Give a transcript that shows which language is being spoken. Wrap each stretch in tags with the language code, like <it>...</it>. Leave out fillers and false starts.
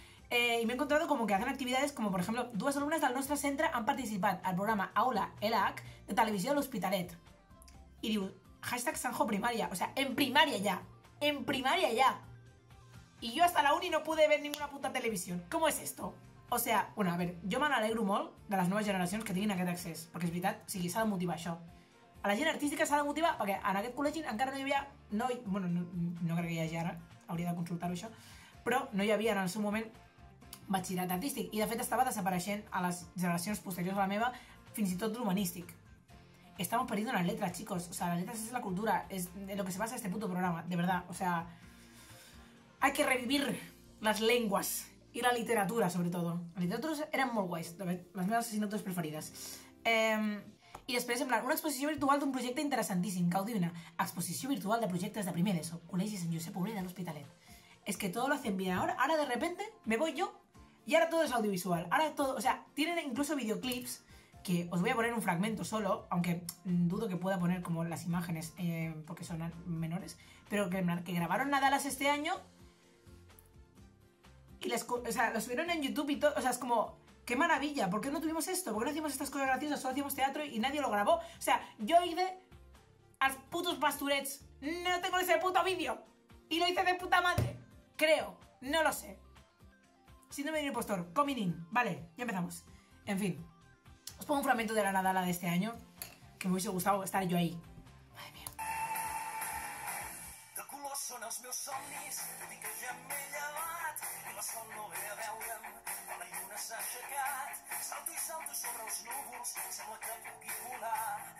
<es>Y me he encontrado como que hacen actividades como, por ejemplo,</es> <ca>dues alumnes del nostre centre han participat al programa Aula ELAC de Televisió L'Hospitalet. I diu, hashtag Sanjo Primària, o sea, en primària ja, en primària ja.</ca> <es>Y yo hasta la uni no pude ver ninguna puta televisión. ¿Cómo es esto? O sea, bueno, a ver,</es> <ca>jo me n'alegro molt de les noves generacions que tinguin aquest accés, perquè és veritat, o sigui, s'ha de motivar això. A la gent artística s'ha de motivar, perquè en aquest col·legi encara no hi havia, no, bueno, no, no crec que hi hagi ara, hauria de consultar-ho això, però no hi havia en el seu moment batxillerat artístic, i de fet estava desapareixent a les generacions posteriors a la meva, fins i tot l'humanístic.</ca> <es>Estamos perdiendo las letras, chicos. O sea, las letras es la cultura. Es en lo que se basa este puto programa. De verdad. O sea, hay que revivir las lenguas. Y la literatura, sobre todo. Las literaturas eran muy guays.</es> <ca>Las meves assignatures preferides. I després, en plan, una exposició virtual d'un projecte interessantíssim. Cau divina. Exposició virtual de projectes de primer d'ESO. Col·legi Sant Josep Obrer de l'Hospitalet.</ca> <es>Es que todo lo hacen bien. Ahora de repente me voy yo y ahora todo es audiovisual. Ahora todo, o sea, tienen incluso videoclips que os voy a poner un fragmento solo, aunque dudo que pueda poner como las imágenes porque son menores, pero que grabaron a Dallas este año Y les, o sea, lo subieron en YouTube y todo. O sea, es como, qué maravilla, ¿por qué no tuvimos esto? ¿Por qué no hicimos estas cosas graciosas? Solo hacíamos teatro y nadie lo grabó. O sea, yo hice a putos pasturets. No tengo ese puto vídeo. Y lo hice de puta madre. Creo, no lo sé. Síndrome del impostor,</es> <en>coming in.</en> <es>Vale, ya empezamos. En fin, os pongo un fragmento de la Nadala de este año. Que me hubiese gustado estar yo ahí. Madre mía.</es> <ca>De color són els meus somnis, de dir que ja m'he llevat, i la sol no ve a veure'm, quan la lluna s'ha aixecat. Salto i salto sobre els núvols, sembla que pugui volar.</ca>